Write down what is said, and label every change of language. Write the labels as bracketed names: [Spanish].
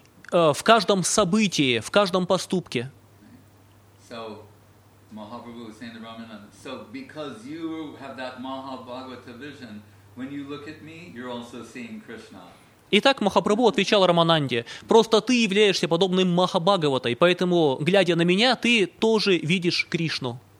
[Russian] В каждом событии, в каждом поступке. [English] So, Mahaprabhu was saying to Ramananda. So because you have that Mahabhagavata vision, when you look at me, you're also seeing Krishna. [Russian] Итак, Махапрабху отвечал Рамананде, просто ты являешься подобным Махабхагаватой, поэтому, глядя на меня, ты тоже видишь Кришну.